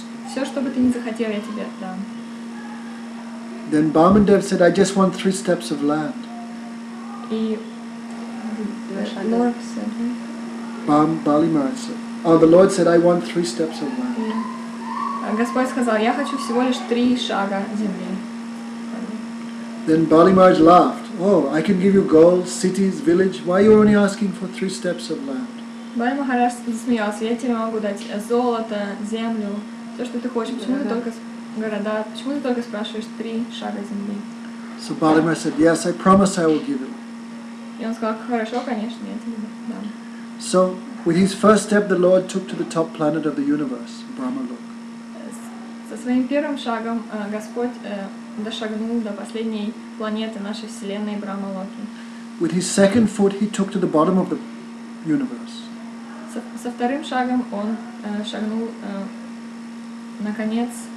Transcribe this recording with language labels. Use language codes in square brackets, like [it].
[ru] Все, что бы ты ни захотел, я тебе отдам. [en] Then Bamandev said, I just want 3 steps of land. И Lord said, Bali Maharaj said, the Lord said, I want 3 steps of land. [ru] Господь сказал, я хочу всего лишь 3 шага земли. [en] Then Bali Maharaj laughed. Oh, I can give you gold, cities, village. Why are you only asking for 3 steps of land? [ru] Bali Maharaj засмеялся. Я тебе могу дать золото, землю, все, что ты хочешь. Почему ты только города? Почему ты только спрашиваешь 3 шага земли? [en] So Bali Maharaj said, Yes, I promise I will give you. [ru] И он сказал, хорошо, конечно, я тебе дам. [en] So with his first step, the Lord took to the top planet of the universe, Brahmaloka. [ru] Со своим первым шагом Господь дошагнул до последней планеты нашей вселенной Брахмалоки. [en] With his second foot, he took to the bottom of the universe. [ru] Со вторым шагом он шагнул на конец.